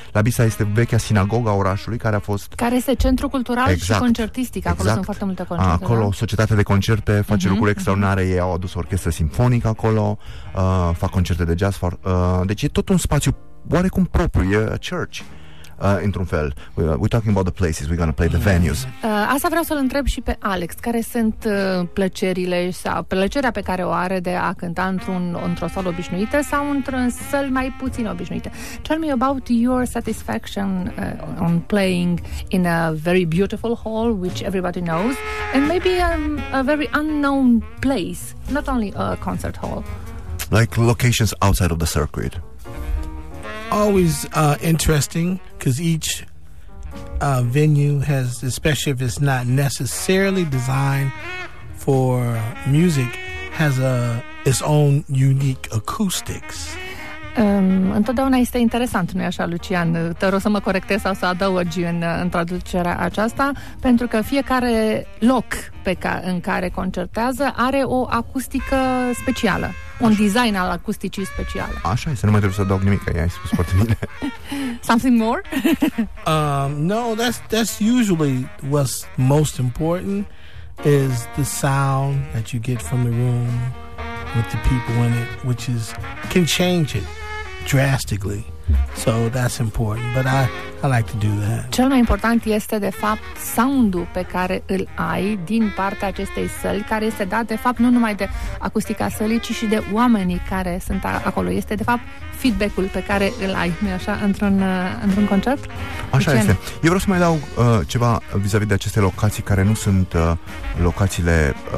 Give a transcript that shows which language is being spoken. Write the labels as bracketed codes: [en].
[ro] La Bisa este vechea sinagoga orașului, care a fost... Care este centru cultural, exact, și concertistic. Acolo, exact, sunt foarte multe concerte. Acolo, da? Societatea de concerte face lucruri extraordinare. Ei au adus orchestră simfonică acolo, fac concerte de jazz. Deci e tot un spațiu oarecum propriu, e [en] a church. [ro] Într-un fel, [en] we're talking about the places, we're going to play the venues. [ro] Asta vreau să-l întreb și pe Alex. Care sunt plăcerile sau plăcerea pe care o are de a cânta într-o sală obișnuită sau într-un săl mai puțin obișnuită? [en] Tell me about your satisfaction on playing in a very beautiful hall, which everybody knows, and maybe a very unknown place, not only a concert hall. Like locations outside of the circuit. Always interesting, because each venue has, especially if it's not necessarily designed for music, has its own unique acoustics. [ro] Întotdeauna este interesant, nu-i așa, Lucian? Te rog să mă corectez sau să adăugi în traducerea aceasta, pentru că fiecare loc în care concertează are o acustică specială, un design al acusticii special. Așa este, nu mai trebuie să adaug nimic, ai spus foarte bine. [en] Something more? No, that's usually what's most important, is the sound that you get from the room with the people in it, which is can change it drastically. So that's important, but I like to do that. [ro] Cel mai important este de fapt soundul pe care îl ai din partea acestei săli, care este dat de fapt nu numai de acustica sălii, ci și de oamenii care sunt acolo. Este de fapt feedback-ul pe care îl ai, nu-i așa, într-un concert? Așa este. Eu vreau să mai dau ceva vis-a-vis de aceste locații care nu sunt locațiile